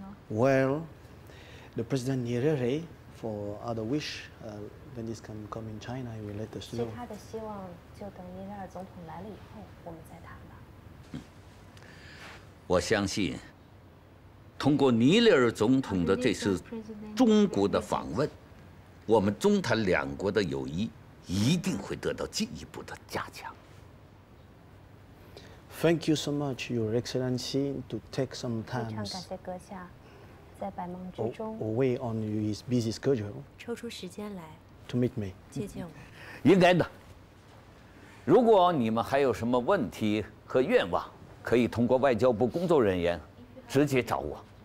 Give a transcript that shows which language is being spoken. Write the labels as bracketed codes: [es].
[en] Well, the President Nyerere for other wish, when this can come in China, we let us know. [zh] 其他的希望就等尼德尔总统来了以后，我们再谈。我相信，通过尼德尔总统的这次中国的访问，我们中台两国的友谊一定会得到进一步的加强。 [en] Thank you so much, Your Excellency, to take some time. [zh] 非常感谢阁下，在百忙之中 [en] ，away on his busy schedule， [zh] 抽出时间来 [en] ，to meet me， [zh] 接见我。应该的。如果你们还有什么问题和愿望，可以通过外交部工作人员直接找我。